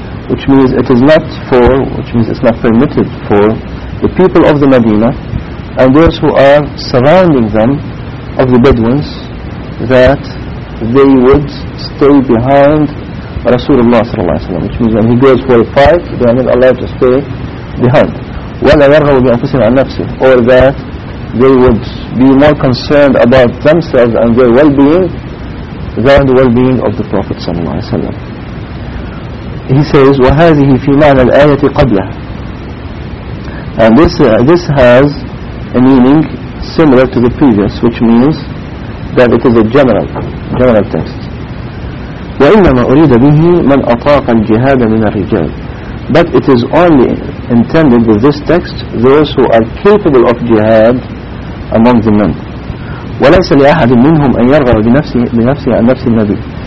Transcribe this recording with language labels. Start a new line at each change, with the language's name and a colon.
English: Which means it is not for, which means it's not permitted for the people of the Medina and those who are surrounding them of the Bedouins that they would stay behind Rasulullah sallallahu alaihi wasallam. Which means when he goes for a fight, they are not allowed to stay behind.
Arabic: وَلَا يَرْغَوْا بِأَنْفُسِهِمْ عَنْ نَفْسِهِ.
English: Or that they would be more concerned about themselves and their well-being than the well-being of the Prophet sallallahu alaihi wasallam. He says,
Arabic: وهذه في معنى الآية قبلها.
English: And this has a meaning similar to the previous, which means that it is a general text.
Arabic: وإنما أريد به من أطاق الجهاد من الرجال.
English: But it is only intended with this text those who are capable of jihad among the men.
Arabic: وليس لأحد منهم أن يرغب بنفسه عن نفس النبي.